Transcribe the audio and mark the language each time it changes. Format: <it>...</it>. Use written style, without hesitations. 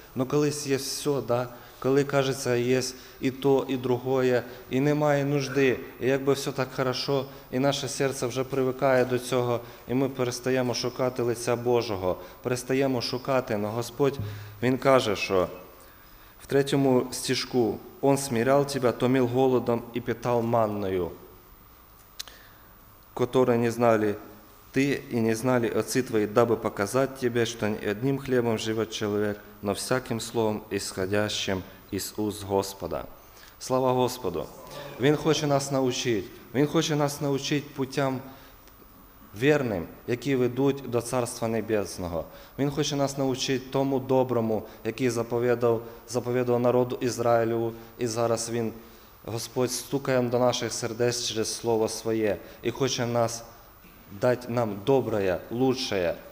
<uk>Ну колись є все, да? Коли, кажеться, є і то, і друге, і немає нужди, і якби все так хорошо, і наше серце вже привикає до цього, і ми перестаємо шукати лиця Божого, перестаємо шукати, але Господь, Він каже, що в третьому стіжку,</uk> <ru>Он смирял тебя, томил голодом и питал манною, которую не знали ты и не знали отцы твои, дабы показать тебе, что не одним хлебом живет человек, но всяким словом, исходящим из уст Господа».</ru> <uk>Слава Господу! Він хоче нас научить. Він хоче нас научить путям верним, які ведуть до Царства Небесного. Він хоче нас научить тому доброму, який заповідав народу Ізраїлю, і зараз Він, Господь, стукає до наших сердець через Слово Своє і хоче нас дати нам добре, лучшее.</uk>